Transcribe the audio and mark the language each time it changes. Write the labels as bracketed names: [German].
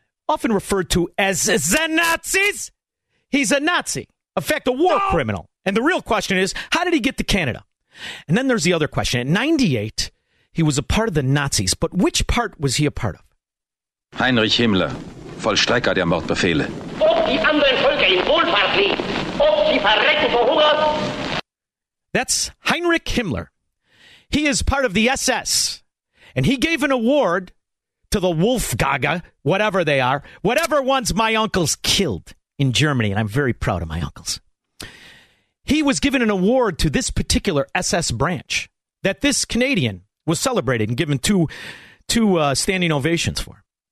[English] often referred to as the Nazis. He's a Nazi, in fact, a war criminal. And the real question is, how did he get to Canada? And then there's the other question. In 98, he was a part of the Nazis, but which part was he a part of? [German] Heinrich Himmler, Vollstrecker der Mordbefehle. Ob die anderen Völker in Wohlfahrt leben, ob sie verrecken vor Hunger. [English] That's Heinrich Himmler. He is part of the SS, and he gave an award to the Wolfgaga, whatever they are, whatever ones my uncles killed in Germany, and I'm very proud of my uncles. He was given an award to this particular SS branch that this Canadian was celebrated and given two standing ovations for.